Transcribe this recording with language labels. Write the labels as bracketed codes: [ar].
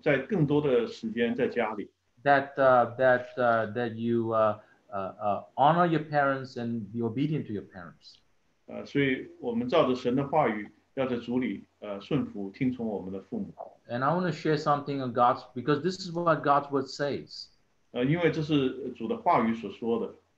[zh] 但是你现在在更多的时间在家里。 [en] That you honor your parents and be obedient to your parents. [zh] 所以我们照着神的话语，要在主里顺服听从我们的父母。 [en] And I want to share something on God's, because this is what God's word says. [zh] 因为这是主的话语所说的。